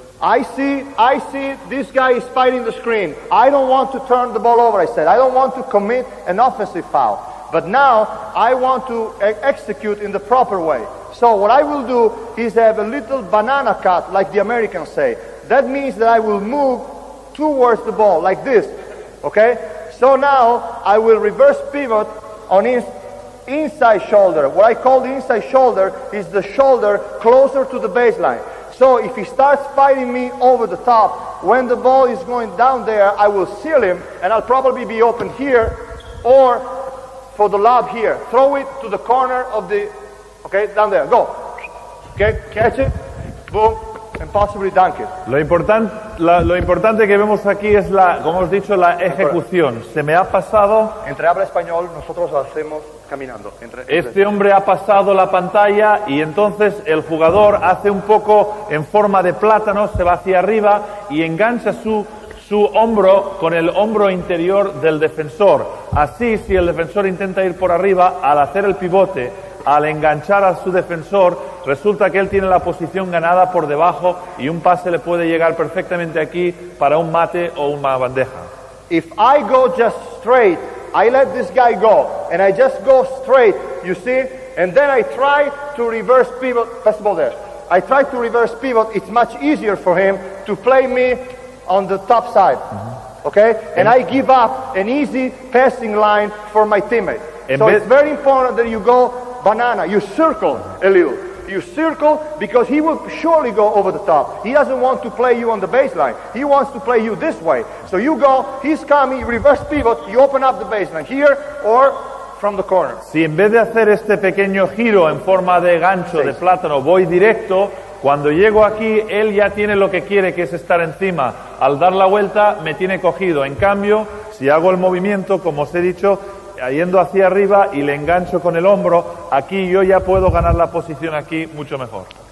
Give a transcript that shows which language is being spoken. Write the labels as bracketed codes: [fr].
[en] I see this guy is fighting the screen. I don't want to turn the ball over, I said. I don't want to commit an offensive foul. But now I want to execute in the proper way. So what I will do is have a little banana cut, like the Americans say. That means that I will move towards the ball, like this. Okay? So now I will reverse pivot on his inside shoulder. What I call the inside shoulder is the shoulder closer to the baseline. So if he starts fighting me over the top, when the ball is going down there, I will seal him and I'll probably be open here or for the lob here. Throw it to the corner of the, okay, down there, go. Okay, catch it, boom, and possibly dunk it. [es] Lo importante que vemos aquí es la, como os he dicho, la ejecución. Se me ha pasado. Entre habla español, nosotros lo hacemos caminando. Este hombre ha pasado la pantalla y entonces el jugador hace un poco en forma de plátano, se va hacia arriba y engancha su hombro con el hombro interior del defensor. Así, si el defensor intenta ir por arriba, al hacer el pivote, al enganchar a su defensor, resulta que él tiene la posición ganada por debajo y un pase le puede llegar perfectamente aquí para un mate o una bandeja. [en] If I go just straight, I let this guy go, and I just go straight, you see, and then I try to reverse pivot, first of all there, I try to reverse pivot, it's much easier for him to play me on the top side, okay? And I give up an easy passing line for my teammate. So it's very important that you go banana, you circle a little. You circle because he will surely go over the top. He doesn't want to play you on the baseline. He wants to play you this way. So you go, he's coming, reverse pivot, you open up the baseline here or from the corner. [es] Si en vez de hacer este pequeño giro en forma de gancho, de plátano, voy directo, cuando llego aquí, él ya tiene lo que quiere, que es estar encima. Al dar la vuelta, me tiene cogido. En cambio, si hago el movimiento, como os he dicho, yendo hacia arriba y le engancho con el hombro, aquí yo ya puedo ganar la posición aquí mucho mejor.